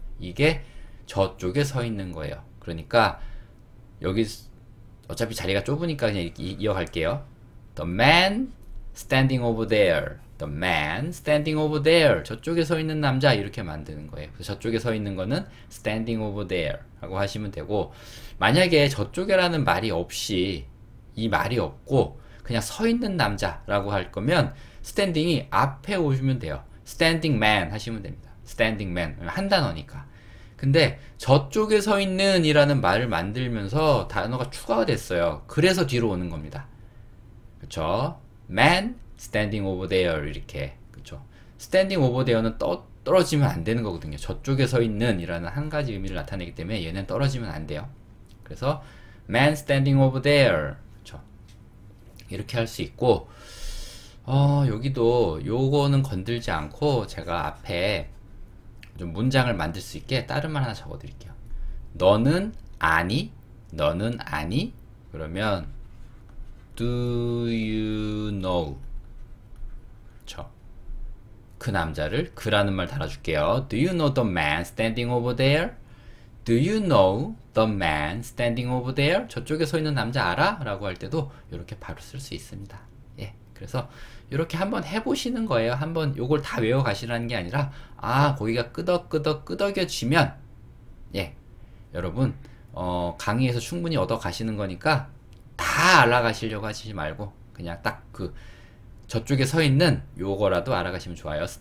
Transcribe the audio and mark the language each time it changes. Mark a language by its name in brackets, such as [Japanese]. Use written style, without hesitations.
[Korean] 이게 저쪽에 서 있는 거예요. 그러니까 여기 어차피 자리가 좁으니까 그냥 이어갈게요. [English] The man standing over there. The man standing over there. [Korean] 저쪽에 서 있는 남자 이렇게 만드는 거예요. 그래서 저쪽에 서 있는 거는 [English] standing over there [Korean] 라고 하시면 되고, 만약에 저쪽에라는 말이 없이, 이 말이 없고 그냥 서 있는 남자라고 할 거면 standing이 앞에 오시면 돼요. [English] standing man [Korean] 하시면 됩니다. standing man 한 단어니까. 근데 저쪽에 서 있는 이라는 말을 만들면서 단어가 추가가 됐어요. 그래서 뒤로 오는 겁니다. 그쵸? [English] man standing over there [Korean] 이렇게. 그렇죠? [English] standing over there [Korean] 는 떨어지면 안 되는 거거든요. 저쪽에 서 있는이라는 한 가지 의미를 나타내기 때문에 얘는 떨어지면 안 돼요. 그래서 [English] man standing over there. [Korean] 이렇게 할수 있고, 여기도 요거는 건들지 않고 제가 앞에 좀 문장을 만들 수 있게 다른 말 하나 적어 드릴게요. 너는 아니? 너는 아니? 그러면 [English] do you know? [Korean] 그쵸? 그 남자를 그라는 말 달아줄게요. [English] Do you know the man standing over there? Do you know the man standing over there? [Korean] 저쪽에 서 있는 남자 알아? 라고 할 때도 이렇게 바로 쓸수 있습니다. 예. 그래서 이렇게 한번 해보시는 거예요. 한번 요걸 다 외워가시라는 게 아니라, 아, 고개가 끄덕끄덕끄덕여지면, 예. 여러분, 강의에서 충분히 얻어가시는 거니까 다 알아가시려고 하시지 말고, 그냥 딱 그, 저쪽에 서 있는 요거라도 알아가시면 좋아요.